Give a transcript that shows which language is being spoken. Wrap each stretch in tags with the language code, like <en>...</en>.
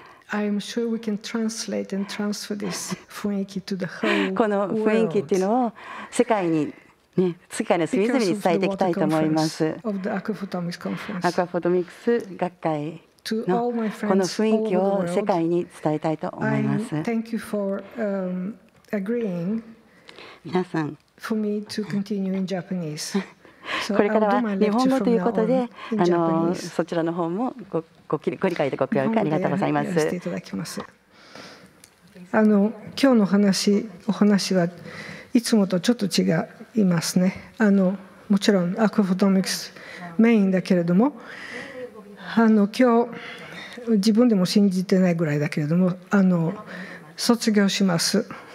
<en>I'm sure we can translate and transfer this 雰囲気 to the whole world.</en> <ja>この雰囲気というのを世界にね、世界の隅々に伝えていきたいと思います。</ja> <en>Of the Aquaphotomics Conference.</en> <ja>アクアフォトミクス学会のこの雰囲気を世界に伝えたいと思います。</ja> <en>Thank you for agreeing.</en> <ja>皆さん、</ja> <en>For me to continue in Japanese.</en> <ja>これからは日本語ということで、そちらの方もご理解でご協力ありがとうございます。やらせていただきます。今日の話、お話はいつもとちょっと違いますね。もちろんアクアフォトミクスメインだけれども、今日自分でも信じてないぐらいだけれども、卒業します。</ja>